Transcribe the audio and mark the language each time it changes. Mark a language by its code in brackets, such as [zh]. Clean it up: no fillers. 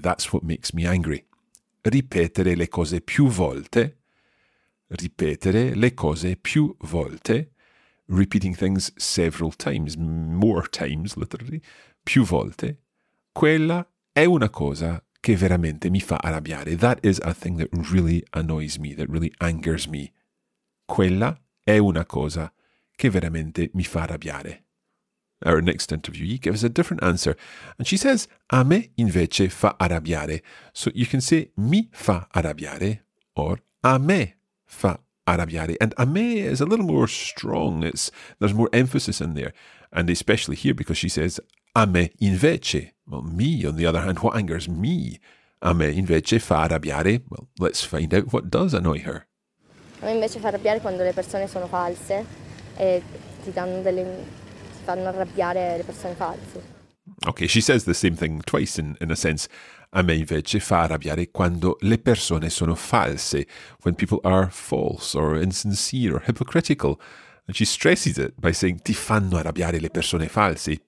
[en] That's what makes me angry. [it] Ripetere le cose più volte. Ripetere le cose più volte. [en] Repeating things several times, more times, literally. [it] Più volte. Quella è una cosa che veramente mi fa arrabbiare. [en] That is a thing that really annoys me, that really angers me. [it] Quella è una cosa che veramente mi fa arrabbiare. [en] Our next interviewee gives a different answer. And she says, [it] a me invece fa arrabbiare. [en] So you can say, [it] mi fa arrabbiare, [en] or [it] a me fa arrabbiare. [en] And [it] a me [en] is a little more strong. There's more emphasis in there. And especially here, because she says, [it] a me invece. [en] Well, me, on the other hand, what angers me? [it] A me invece fa arrabbiare. [en] Well, let's find out what does annoy her. [it] A me invece fa arrabbiare quando le persone sono false e ti danno delle... fanno arrabbiare le persone false. [en] Okay, she says the same thing twice in a sense. [it] A me invece fa arrabbiare quando le persone sono false, [en] when people are false or insincere or hypocritical. And she stresses it by saying [it] ti fanno arrabbiare le persone false.